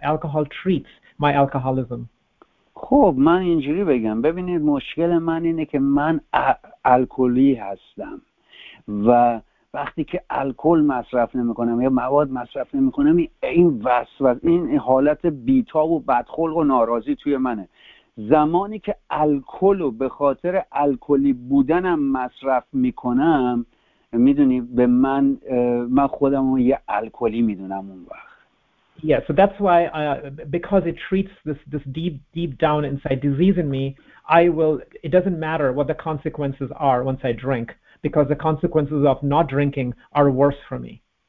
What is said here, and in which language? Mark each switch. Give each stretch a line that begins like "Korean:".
English: Alcohol treats my alcoholism.
Persian: خب من اینجوری بگم، ببینید مشکل من اینه که من الکلی هستم و وقتی که الکل مصرف نمیکنم یا مواد مصرف نمیکنم این وسواس، این حالت بیتاب و بدخلق و ناراضی توی منه. زمانی که الکل رو به خاطر الکلی بودنم مصرف میکنم، میدونی به من خودم رو یه الکلی میدونم اون وقت.
English: Yeah, so that's why because it treats this deep down inside disease in me, it doesn't matter what the consequences are once I drink, because the consequences of not drinking are worse for me.